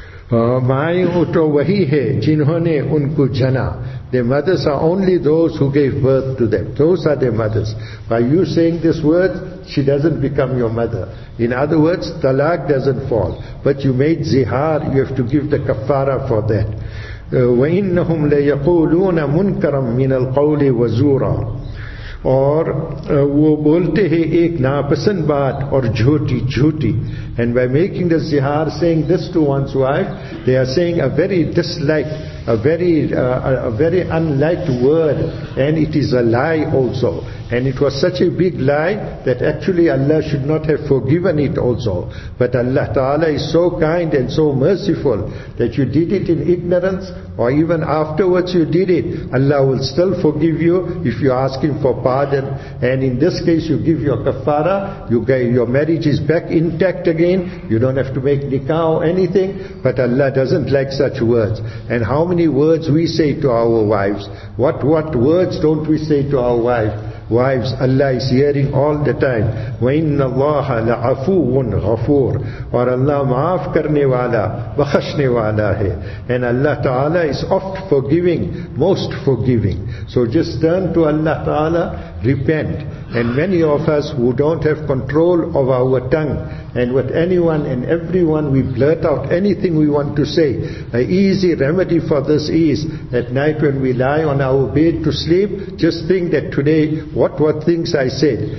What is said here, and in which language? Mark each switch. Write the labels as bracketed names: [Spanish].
[Urdu] Maayu to wahi hai jinhone unko jana. [English] Their mothers are only those who gave birth to them. Those are their mothers. By you saying this word, she doesn't become your mother. In other words, talaq doesn't fall. But you made zihar, you have to give the kafara for that. [Arabic] وَإِنَّهُمْ لَيَقُولُونَ مُنْكَرًا مِنَ الْقَوْلِ وَزُورًا [Urdu] Or, وہ بولتے ہیں ایک ناپسند بات اور جھوٹی جھوٹی. [English] And by making the zihar, saying this to one's wife, they are saying a very dislike, a very unliked word, and it is a lie also. And it was such a big lie that actually Allah should not have forgiven it also. But Allah Ta'ala is so kind and so merciful that you did it in ignorance, or even afterwards you did it, Allah will still forgive you if you ask Him for pardon. And in this case, you give your kafara, your marriage is back intact again, you don't have to make nikah or anything, but Allah doesn't like such words. And how many words we say to our wives? What words don't we say to our wives? Wives, Allah is hearing all the time. [Arabic] وَإِنَّ اللَّهَ لَعَفُوٌ غَفُورٌ [Urdu] اور اللہ معاف کرنے والا بخشنے والا ہے. [English] And Allah Ta'ala is oft forgiving, most forgiving. So just turn to Allah Ta'ala, repent. And many of us who don't have control of our tongue, and with anyone and everyone we blurt out anything we want to say, an easy remedy for this is, at night when we lie on our bed to sleep, just think that today, what were things I said,